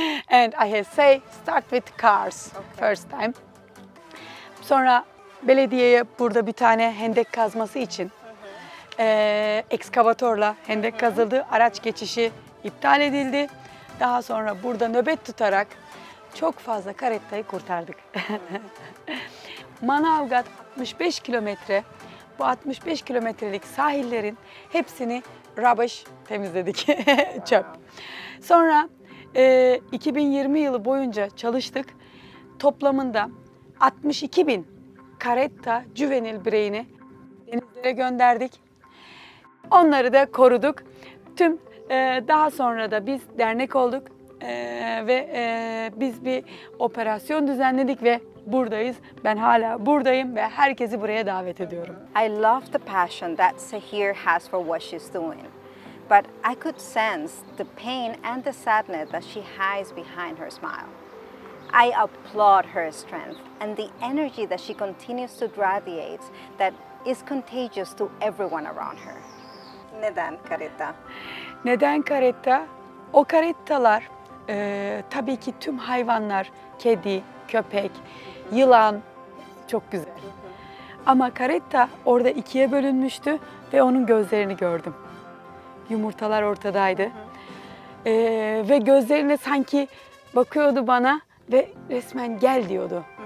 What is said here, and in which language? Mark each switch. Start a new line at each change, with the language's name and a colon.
English: And I have say start with cars first time.
Turkish: Sonra belediyeye burada bir tane hendek kazması için ekskavatorla hendek kazıldı. Araç geçişi iptal edildi. Daha sonra burada nöbet tutarak çok fazla karettayı kurtardık. Manavgat 65 kilometre. Bu 65 kilometrelik sahillerin hepsini rubbish temizledik, çöp. Sonra 2020 yılı boyunca çalıştık. Toplamında 62 bin Caretta juvenil bireyini denizlere gönderdik. Onları da koruduk. Tüm daha sonra da biz dernek olduk ve biz bir operasyon düzenledik ve buradayız. Ben hala buradayım ve herkesi buraya davet ediyorum.
English: I love the passion that Seher has for what she's doing. But I could sense the pain and the sadness that she hides behind her smile. I applaud her strength and the energy that she continues to radiate that is contagious to everyone around her.
Turkish: Neden Caretta? Neden Caretta? O karettalar, tabii ki tüm hayvanlar, kedi, köpek, yılan, çok güzel. Ama Caretta orada ikiye bölünmüştü ve onun gözlerini gördüm. Yumurtalar ortadaydı. Ve gözlerine sanki bakıyordu bana ve resmen gel diyordu.